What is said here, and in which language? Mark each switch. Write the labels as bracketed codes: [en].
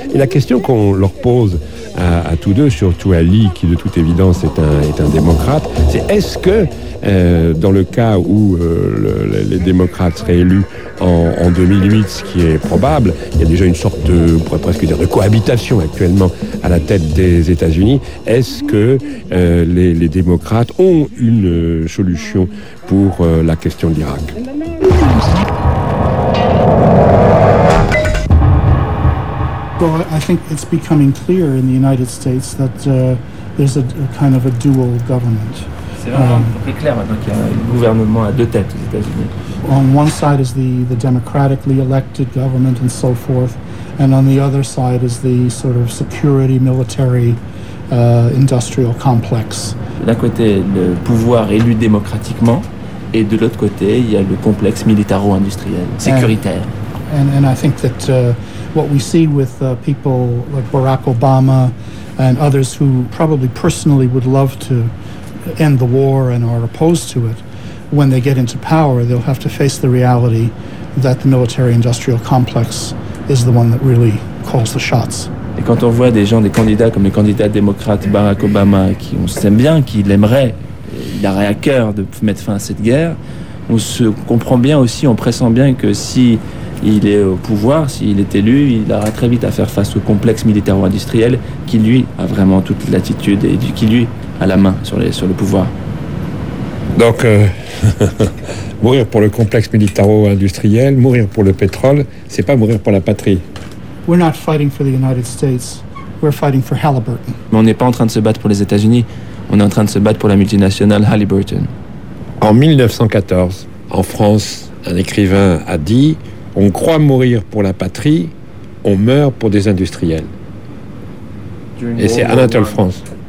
[fr] Et la question qu'on leur pose à tous deux, surtout à Lee qui de toute évidence est un démocrate, c'est est-ce que dans le cas où les démocrates seraient élus en 2008, ce qui est probable, il y a déjà une sorte de, on pourrait presque dire, de cohabitation actuellement à la tête des États-Unis. Est-ce que les démocrates ont une solution pour la question de l'Irak? [en] Well, I think it's becoming clear in the United States that there's a kind of a dual government. [fr] C'est clair maintenant qu'il y a un gouvernement à deux têtes aux États-Unis. [en] On one side is the democratically elected government and so forth, and on the other side is the sort of security military industrial complex. [fr] D'un côté, le pouvoir élu démocratiquement, et de l'autre côté, il y a le complexe militaro-industriel, sécuritaire. [en] And I think that what we see with people like Barack Obama and others who probably personally would love to end the war and are opposed to it, when they get into power, they'll have to face the reality that the military-industrial complex is the one that really calls the shots. [fr] Et quand on voit des gens, des candidats comme les candidats démocrates Barack Obama, qui on sait bien qu'il aimerait, il aurait à cœur de mettre fin à cette guerre, on se comprend bien aussi, on pressent bien que si il est au pouvoir, s'il est élu, il aura très vite à faire face au complexe militaro-industriel qui lui a vraiment toute l'attitude et qui lui a la main sur le pouvoir. Donc, mourir pour le complexe militaro-industriel, mourir pour le pétrole, c'est pas mourir pour la patrie. [en] We're not fighting for the United States, we're fighting for Halliburton. [fr] Mais on n'est pas en train de se battre pour les États-Unis, on est en train de se battre pour la multinationale Halliburton. En 1914, en France, un écrivain a dit: on croit mourir pour la patrie, on meurt pour des industriels. Et c'est Anatole France.